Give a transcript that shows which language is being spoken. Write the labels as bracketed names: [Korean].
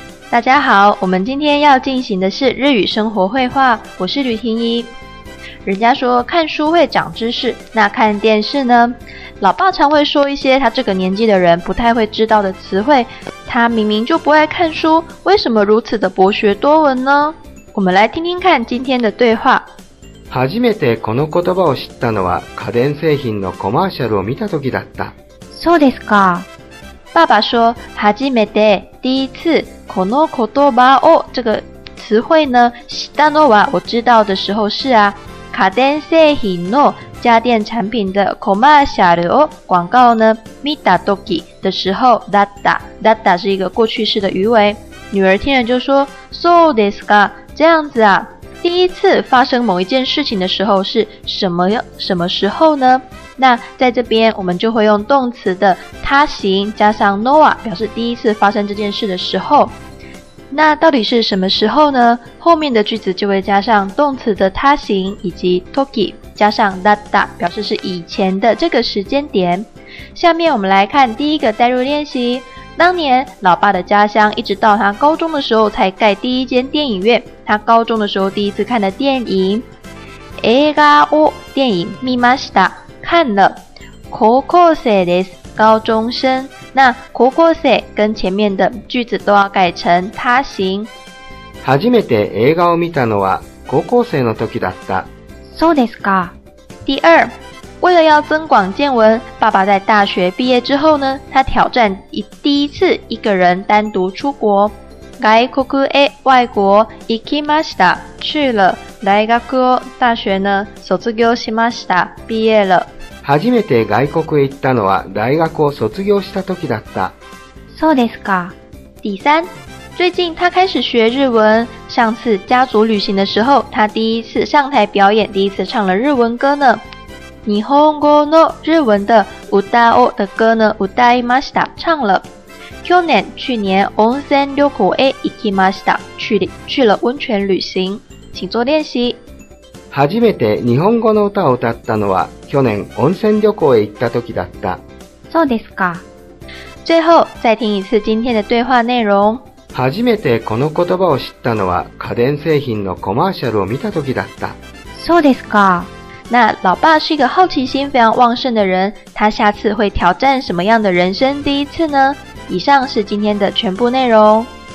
[Chinese] 大家好，我们今天要进行的是日语生活会话，我是吕婷宜。人家说看书会长知识，那看电视呢？老爸常会说一些他这个年纪的人不太会知道的词汇，他明明就不爱看书，为什么如此的博学多闻呢？我们来听听看今天的对话。 [Japanese] 初めてこの言葉を知ったのは家電製品のコマーシャルを見たときだった。そうですか。 [Chinese] 爸爸说， [Japanese] 初めて [Chinese] 第一次 [Japanese] この言葉を [Chinese] 这个词汇呢， [Japanese] 知ったのは [Chinese] 我知道的时候是啊， [Japanese] 家電製品の [Chinese] 家电产品的 [Japanese] コマーシャルを [Chinese] 广告呢， [Japanese] 見たとき [Chinese] 的时候 [Japanese] だった。 [Chinese] だった是一个过去式的语尾。女儿听了就说， [Japanese] そうですか， [Chinese] 这样子啊。第一次发生某一件事情的时候是什么时候呢？那在这边我们就会用动词的他行加上 noa 表示第一次发生这件事的时候。那到底是什么时候呢？后面的句子就会加上动词的他行以及 toki 加上 datta 表示是以前的这个时间点。下面我们来看第一个代入练习。当年老爸的家乡一直到他高中的时候才盖第一间电影院，他高中的时候第一次看的电影 [Japanese] 映画を [Chinese] 电影 [Japanese] 見ました [Chinese] 看了 [Japanese] 高校生です， [Chinese] 高中生。那高校生跟前面的句子都要改成他行。 [Japanese] 初めて映画を見たのは高校生の時だった。そうですか。 [Chinese] 第二，为了要增广见闻，爸爸在大学毕业之后呢，他挑战第一次一个人单独出国。 [Japanese] 外国へ [Chinese] 外国 [Japanese] 行きました， [Chinese] 去了。 [Japanese] 大学を [Chinese] 大学呢， [Japanese] 卒業しました， [Chinese] 毕业了。 [Japanese] 初めて外国へ行ったのは大学を卒業した時だった。そうですか。 [Chinese] 第三，最近他开始学日文，上次家族旅行的时候，他第一次上台表演，第一次唱了日文歌呢。 [Japanese] 日本語の [Chinese] 日文的 [Japanese] 歌を [Chinese] 的歌呢， [Japanese] 歌いました， [Chinese] 唱了。 [Japanese] 去年温泉旅行へ行きました， [Chinese] 去了温泉旅行，请做练习。 [Japanese] 初めて日本語の歌を歌ったのは去年温泉旅行へ行った時だった。そうですか。 [Chinese] 最后再听一次今天的对话内容。 [Japanese] 初めてこの言葉を知ったのは家電製品のコマーシャルを見た時だった。そうですか。 [Chinese] 那老爸是一个好奇心非常旺盛的人，他下次会挑战什么样的人生第一次呢？以上是今天的全部内容。